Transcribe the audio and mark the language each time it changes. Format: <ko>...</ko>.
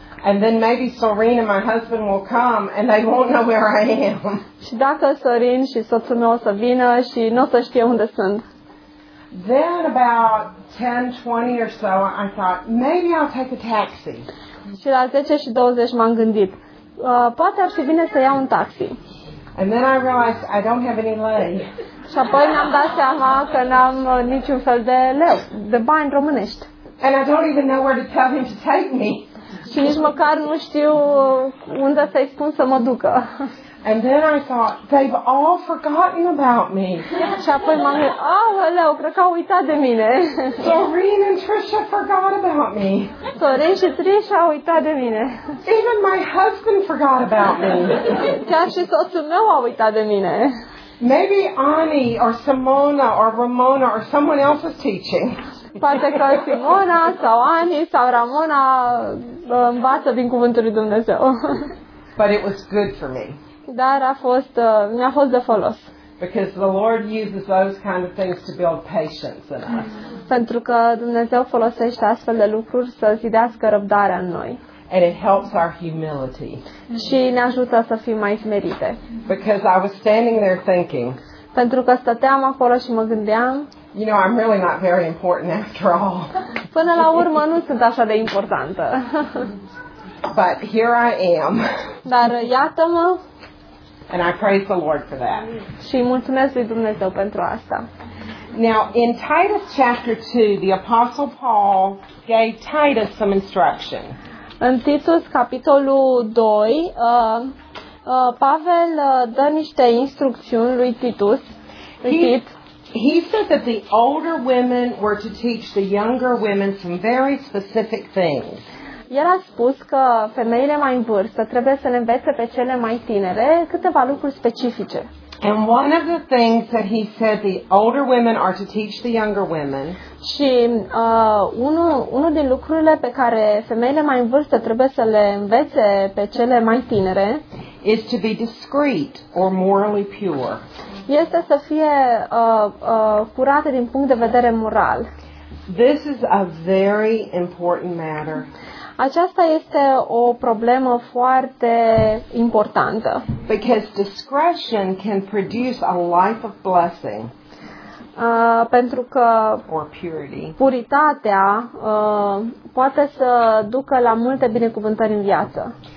<en>And then maybe Soren and my husband will come and they won't know where I am.</en> <ro>Și dacă Soren și soțul meu o să vină și nu o să știe unde sunt.</ro> <en>Then about 10:20 or so I thought maybe I'll take a taxi.</en> <ro>Și la 10:20 m-am gândit, poate ar fi bine să iau un taxi.</ro> <en>And then I realized I don't have any lei.</en> <ro>Și apoi mi-am dat seama că n-am niciun fel de leu, de bani românești.</ro> <en>And I don't even know where to tell him to take me.</en> <ro>Și nici măcar nu știu unde să-i spun să mă ducă.</ro> <en>And then I thought, they've all forgotten about me.</en> <ro>Și apoi m-am gândit, aoleu, cred că au uitat de mine.</ro> <en>Soren and Trisha forgot about me.</en> <ro>Soren și Trisha au uitat de mine.</ro> <en>Even my husband forgot about me.</en> <ro>Chiar și soțul meu a uitat de mine.</ro> <en>Maybe Ani or Simona or Ramona or someone else is teaching.</en> <ro>Poate că Simona sau Ani sau Ramona învață din cuvântul lui Dumnezeu.</ro> <en>But it was good for me.</en> <ro>Dar a fost mi-a fost de folos.</ro> <en>Because the Lord uses those kind of things to build patience in us.</en> <ro>Pentru că Dumnezeu folosește astfel de lucruri să zidească răbdarea în noi.</ro> <en>And it helps our humility.</en> <ro>Și ne ajută să fim mai smerite.</ro> <en>Because I was standing there thinking.</en> <ro>Pentru că stăteam acolo și mă gândeam.</ro> <en>You know, I'm really not very important after all.</en> <ro>Până la urmă nu sunt așa de importantă.</ro> <en>But here I am.</en> <ro>Dar iată-mă.</ro> <en>And I praise the Lord for that.</en> <ro>Și mulțumesc lui Dumnezeu pentru asta.</ro> <en>Now, in Titus chapter 2, the Apostle Paul gave Titus some instruction.</en> <ro>În Titus capitolul 2, Pavel dă niște instrucțiuni lui Titus.</ro> <en>He said that the older women were to teach the younger women some very specific things.</en> <ro>El a spus că femeile mai în vârstă trebuie să le învețe pe cele mai tinere câteva lucruri specifice.</ro> <en>And one of the things that he said the older women are to teach the younger women.</en> <ro>Și unul din lucrurile pe care femeile mai în vârstă trebuie să le învețe pe cele mai tinere</ro> <en>is to be discreet or morally pure.</en> <ro>Este să fie curate din punct de vedere moral.</ro> <en>This is a very important matter.</en> <ro>Aceasta este o problemă foarte importantă.</ro> <en>Because discretion can produce a life of blessing.</en> <ro>Pentru că puritatea poate să ducă la multe binecuvântări în viață.</ro>